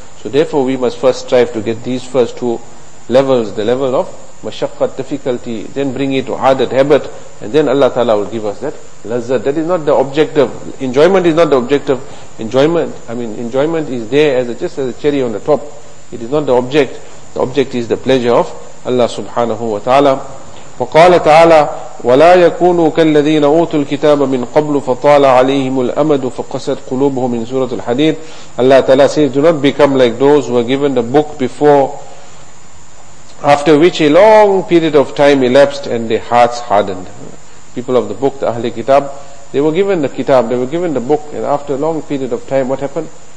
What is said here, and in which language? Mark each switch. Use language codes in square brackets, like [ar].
[en] So therefore we must first strive to get these first two levels, the level of mashakkat, difficulty, then bring it to adat, habit, and then Allah Ta'ala will give us that lazzat. That is not the objective. Enjoyment is not the objective. Enjoyment is there just as a cherry on the top. It is not the object. The object is the pleasure of Allah Subhanahu wa Ta'ala. [ar] وقال تعالى ولا يكونوا كالذين أوتوا الكتاب من قبل فطال عليهم الأمد فقست قلوبهم من سورة الحديد. [en] Allah Ta'ala says, do not become like those who were given the book before, after which a long period of time elapsed and their hearts hardened. People of the book, the Ahli Kitab, they were given the Kitab, they were given the book, and after a long period of time, what happened?